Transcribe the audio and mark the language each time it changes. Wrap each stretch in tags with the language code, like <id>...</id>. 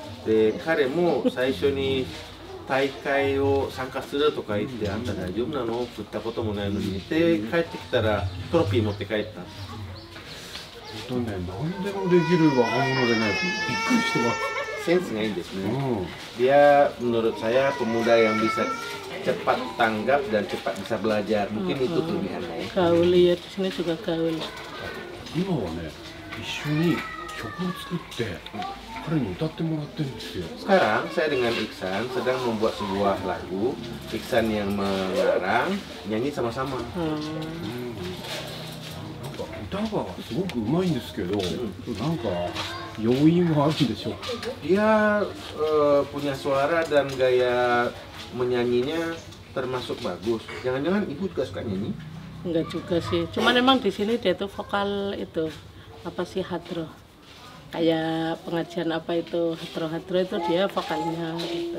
<ja>で、彼も最初に大会を参加するとか言って、あんた大丈夫なの？振ったこともないのに。で、帰ってきたらトロフィー持って帰った。本当ね、何でもできる若者でね、びっくりしてます。センスがいいんですね。</ja> <id>Dia menurut saya pemuda yang bisa cepat tanggap dan cepat bisa belajar. Mungkin itu kelebihannya. Gaul ya, di sini juga gaul.</id> <ja>今はね、一緒に曲を作って、彼に歌ってもらってるんですよ。</ja> <id>Sekarang saya dengan Iksan sedang membuat sebuah lagu. Iksan yang mengarang, nyanyi sama-sama.</id> <ja>なんか歌がすごく上手いんですけど、なんか要因はあるんでしょうか？</ja> <id>Dia punya suara dan gaya menyanyinya termasuk bagus. Jangan-jangan ibu juga suka nyanyi? Enggak juga sih. Cuma memang di sini dia tuh vokal itu apa sih hatro. Kayak pengajian apa itu hatro-hatro itu dia vokalnya gitu.</id>